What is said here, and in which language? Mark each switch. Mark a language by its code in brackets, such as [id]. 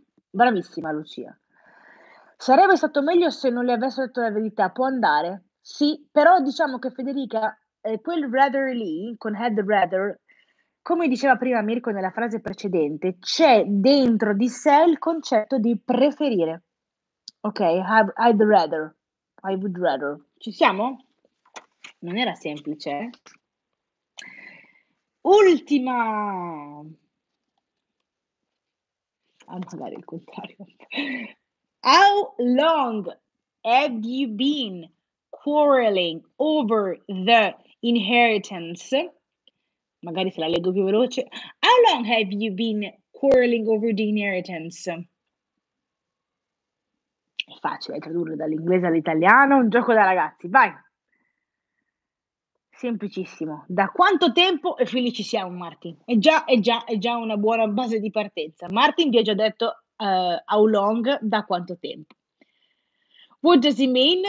[it] Bravissima, Lucia. Sarebbe stato meglio se non le avessero detto la verità, può andare? Sì, però diciamo che Federica, quel rather lì, con [en] had rather, [it] come diceva prima Mirko nella frase precedente, c'è dentro di sé il concetto di preferire. [en] Ok, I'd rather, I would rather. [it] Ci siamo? Non era semplice. Ultima! Anzi, dare il contrario. [en] How long have you been quarreling over the inheritance? [it] Magari se la leggo più veloce. [en] How long have you been quarreling over the inheritance? [it] È facile tradurre dall'inglese all'italiano, un gioco da ragazzi, vai! Semplicissimo. Da quanto tempo e felici siamo, Martin? È già una buona base di partenza. Martin vi ha già detto [en] how long, [it] da quanto tempo. [en] What does it mean?